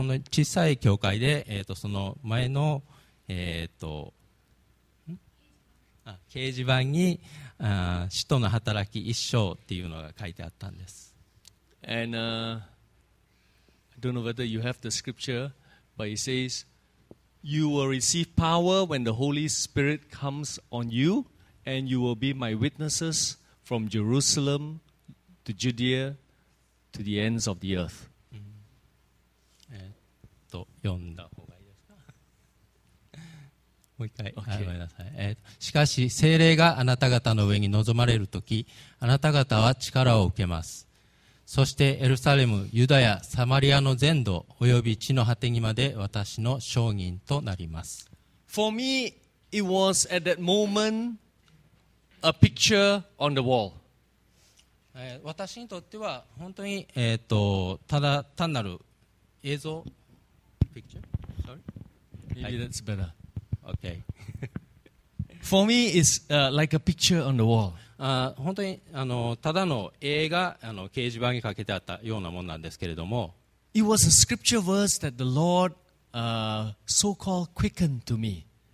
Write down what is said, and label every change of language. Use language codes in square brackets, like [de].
[ja] 小さい教会で、その前の、掲示板に、使徒の働き一章っていうのが書いてあったんです。 [en] And, I don't know whether you have the scripture, but it says,You will receive power when the Holy Spirit comes on you, and you will be my witnesses from Jerusalem to Judea to the ends of the earth. [ja] 読んだ方がいいですか。もう一回。Okay. ごめんなさい。しかし聖霊があなた方の上に臨まれるとき、あなた方は力を受けます。そしてエルサレム、ユダヤ、サマリアの全土および地の果てにまで私の証人となります。 [en] For me, it was at that moment a picture on the wall. [ja] 私にとっては本当に、ただ単なる映像。 [en] Picture? Sorry? Maybe that's better. Okay. For me, it's like a picture on the wall. [ja] 本当にただの絵が掲示板にかけてあったようなものなんですけれども、 [en] It was a scripture verse that the Lord so-called quickened to me.